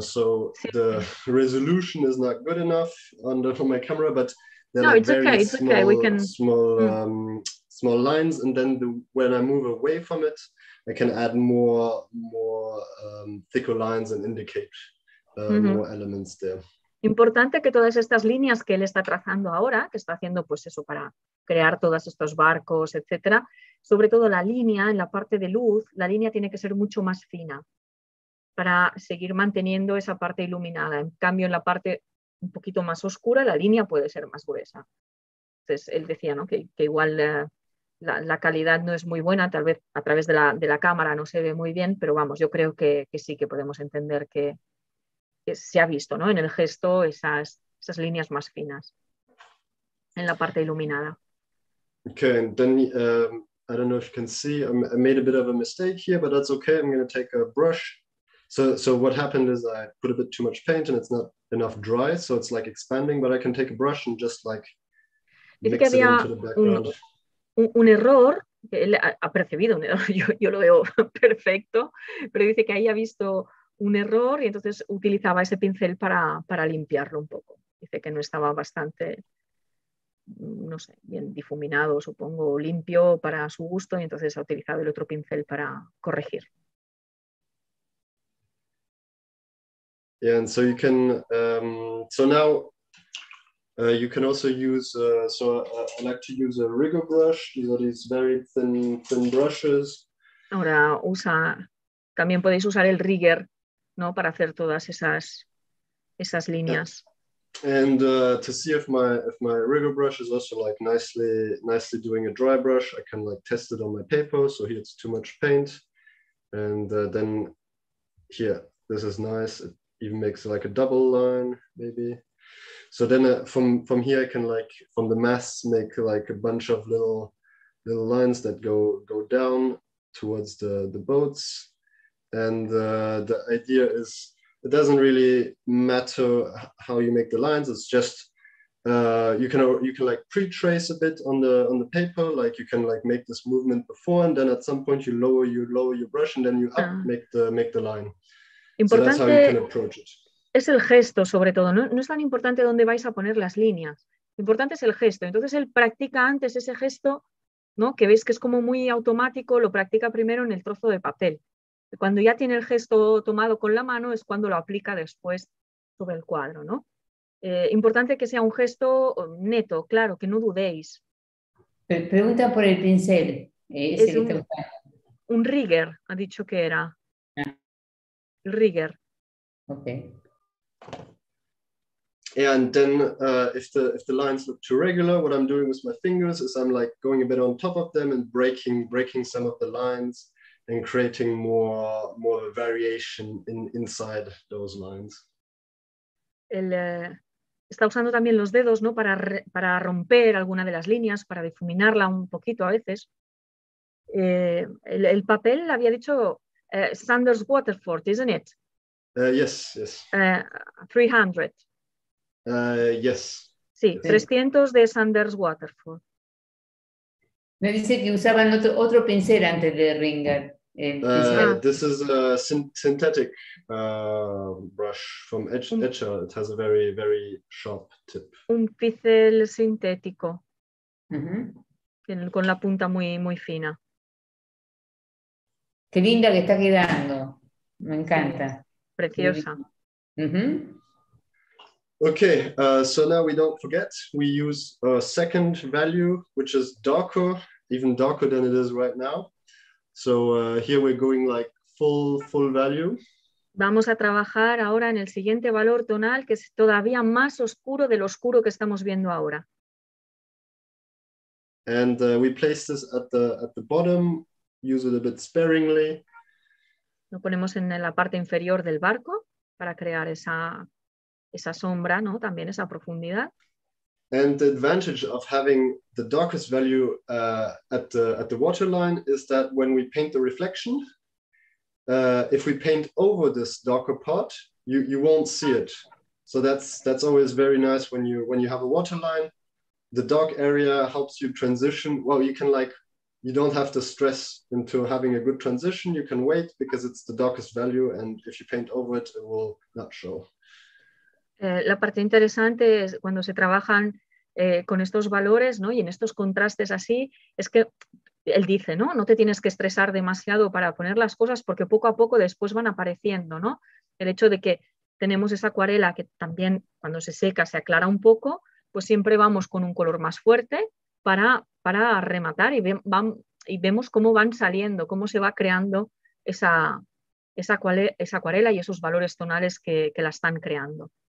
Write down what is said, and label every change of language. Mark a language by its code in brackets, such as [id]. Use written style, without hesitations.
[en] So the resolution is not good enough for my camera, but they're small lines. And then when I move away from it, I can add more thicker lines and indicate more elements there. [es] Importante que todas estas líneas que él está trazando ahora, que está haciendo pues eso para crear todos estos barcos, etcétera, sobre todo la línea en la parte de luz, la línea tiene que ser mucho más fina para seguir manteniendo esa parte iluminada. En cambio, en la parte un poquito más oscura, la línea puede ser más gruesa. Entonces, él decía, ¿no?, que igual la calidad no es muy buena, tal vez a través de la cámara no se ve muy bien, pero vamos, yo creo que sí que podemos entender que se ha visto, ¿no?, en el gesto esas líneas más finas en la parte iluminada. [en] Okay, and then I don't know if you can see, I made a bit of a mistake here, but that's okay. I'm going to take a brush. So what happened is I put a bit too much paint and it's not enough dry, so it's like expanding, but I can take a brush and just like mix it into the background. [es] Un error, él ha percibido un error, yo lo veo perfecto, pero dice que ahí ha visto un error y entonces utilizaba ese pincel para limpiarlo un poco. Dice que no estaba bastante, no sé, bien difuminado, supongo, limpio para su gusto, y entonces ha utilizado el otro pincel para corregir. [en] Yeah, and so you can, so now you can also use, I like to use a rigger brush. These are these very thin brushes. [es] Ahora usa, también podéis usar el rigger, ¿no?, para hacer todas esas líneas. [en] Yeah. And to see if my rigger brush is also like nicely doing a dry brush, I can like test it on my paper. So here it's too much paint. And then here, yeah, this is nice. It even makes like a double line, maybe. So then from here, I can like, from the mass, make like a bunch of little lines that go down towards the boats. And the idea is, it doesn't really matter how you make the lines. It's just, you can like pre-trace a bit on the paper. Like you can like make this movement before, and then at some point you lower your brush and then you up, make the line. [es] Importante. [en] So that's how you can approach it. [es] Es el gesto, sobre todo, no es tan importante dónde vais a poner las líneas, lo importante es el gesto. Entonces él practica antes ese gesto, ¿no?, que veis que es como muy automático, lo practica primero en el trozo de papel. Cuando ya tiene el gesto tomado con la mano es cuando lo aplica después sobre el cuadro, ¿no? Importante que sea un gesto neto, claro, que no dudéis. Pregunta por el pincel. Es un rigger, ha dicho que era. El rigger. [en] Ok. Yeah, and then if the lines look too regular, what I'm doing with my fingers is I'm like going a bit on top of them and breaking some of the lines and creating more of a variation inside those lines. [es] Él está usando también los dedos, ¿no?, para romper alguna de las líneas, para difuminarla un poquito a veces. El papel había dicho Sanders Waterford, [en] isn't it? Yes. 300. Yes. [es] Sí, 300 de Sanders Waterford. Me dice que usaban otro pincel antes de Ringer. [en] This is a synthetic brush from Etcher. It has a very, very sharp tip. [es] Un pincel sintético. Con la punta muy, muy fina. Qué linda que está quedando. Me encanta. [en] Okay, so now we don't forget, we use a second value, which is darker, even darker than it is right now. So here we're going like full value. [es] Vamos a trabajar ahora en el siguiente valor tonal, que es todavía más oscuro del oscuro que estamos viendo ahora. [en] And we place this at the bottom, use it a bit sparingly. [es] Lo ponemos en la parte inferior del barco para crear esa sombra, ¿no?, también esa profundidad. [en] And the advantage of having the darkest value at the waterline is that when we paint the reflection, if we paint over this darker part, you won't see it. So that's always very nice when you have a waterline. The dark area helps you transition. Well, you can like, you don't have to stress into having a good transition. You can wait because it's the darkest value, and if you paint over it, it will not show. [es] La parte interesante es cuando se trabajan con estos valores, ¿no?, y en estos contrastes así, es que él dice, ¿no? No te tienes que estresar demasiado para poner las cosas porque poco a poco después van apareciendo, ¿no? El hecho de que tenemos esa acuarela que también cuando se seca se aclara un poco, pues siempre vamos con un color más fuerte para rematar y vemos cómo van saliendo, cómo se va creando esa acuarela y esos valores tonales que la están creando.